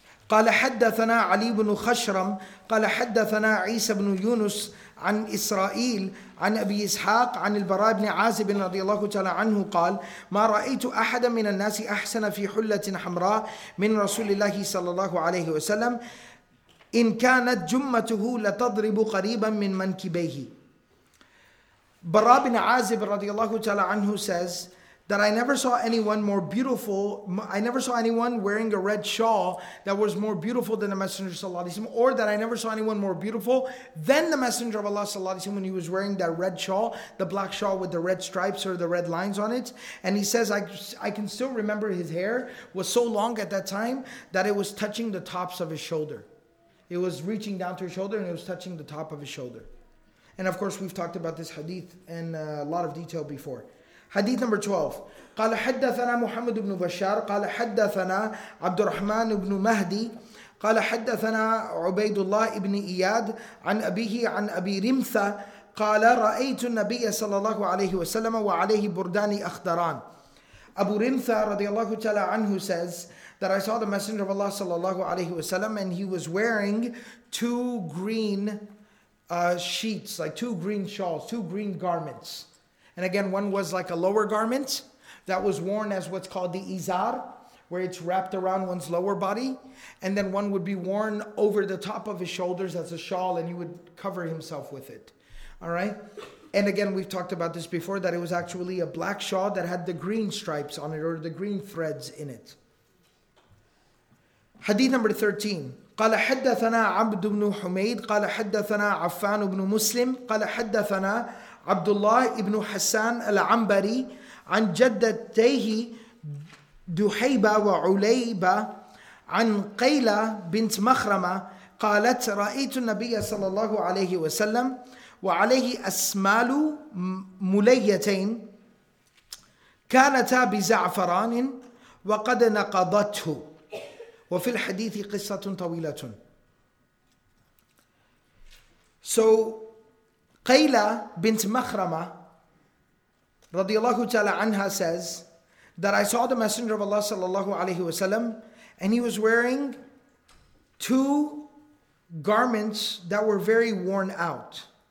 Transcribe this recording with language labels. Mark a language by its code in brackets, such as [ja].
[ar] قال حدثنا علي بن خشرم قال حدثنا عيسى بن يونس عن إسرائيل عن أبي إسحاق عن البراء بن عازب رضي الله تعالى عنه قال ما رأيت أحدا من الناس أحسن في حلة حمراء من رسول الله صلى الله عليه وسلم إن كانت جمته لتضرب قريبا من منكبيه. [en] براء بن عازب [ar] رضي الله تعالى عنه [en] says that I never saw anyone more beautiful, I never saw anyone wearing a red shawl that was more beautiful than the Messenger sallallahu alaihi wasallam, or that I never saw anyone more beautiful than the Messenger of Allah sallallahu alaihi wasallam when he was wearing that red shawl, the black shawl with the red stripes or the red lines on it. And he says, I can still remember his hair was so long at that time that it was touching the tops of his shoulder. It was reaching down to his shoulder and it was touching the top of his shoulder. And of course, we've talked about this hadith in a lot of detail before. Hadith number 12. [ar] قال حدثنا محمد بن بشار قال حدثنا عبد الرحمن بن مهدي قال حدثنا عبيد الله بن إياد عن أبيه عن أبي رمثة قال رأيت النبي صلى الله عليه وسلم وعليه بردان أخضران. [en] Abu Rimtha radiallahu ta'ala anhu says that I saw the Messenger of Allah sallallahu alayhi wa sallam and he was wearing two green sheets, like two green shawls, two green garments. And again, one was like a lower garment that was worn as what's called the izar, where it's wrapped around one's lower body. And then one would be worn over the top of his shoulders as a shawl and he would cover himself with it. All right. And again, we've talked about this before, that it was actually a black shawl that had the green stripes on it or the green threads in it. Hadith number 13. [ar] قال حدثنا عبد بن حميد قال حدثنا عفان بن مسلم قال حدثنا عبد الله ابن حسان العنبري عن جدتيه دحيبة وعليبة عن قيلة بنت مخرمة قالت رأيت النبي صلى الله عليه وسلم وعليه أسمال مليتين كانتا بزعفران وقد نقضته وفي الحديث قصة طويلة. [en] So Qayla bint Makhrama radiallahu ta'ala anha says that I saw the Messenger of Allah sallallahu alayhi wa sallam and he was wearing two garments that were very worn out.